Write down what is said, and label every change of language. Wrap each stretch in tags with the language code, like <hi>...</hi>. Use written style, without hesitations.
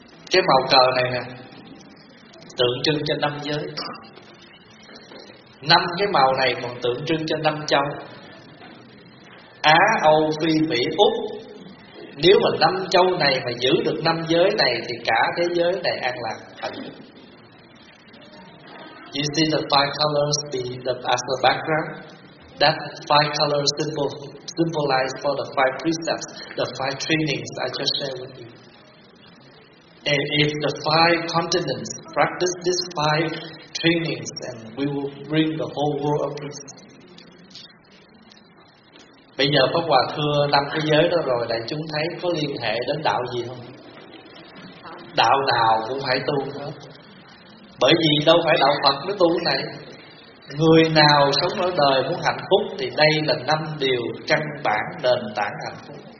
<vi>Cái màu cờ này nè tượng trưng cho năm giới. Năm cái màu này còn tượng trưng cho năm châu Á, Âu, Phi, Mỹ, Úc. Nếu mà năm châu này mà giữ được năm giới này thì cả thế giới này an lạc hạnh phúc.</vi> <en>You see the five colors as the background. That five colors symbolize for the five precepts, the five trainings I just shared with you. And if the five continents practice these five trainings, then we will bring the whole world of peace.</en> <vi>Bây giờ Pháp Hòa thưa năm thế giới đó rồi, đại chúng thấy có liên hệ đến đạo gì không? Đạo nào cũng phải tu hết. Bởi vì đâu phải đạo Phật mới tu cái này. Người nào sống ở đời muốn hạnh phúc thì đây là năm điều căn bản nền tảng hạnh phúc.</vi>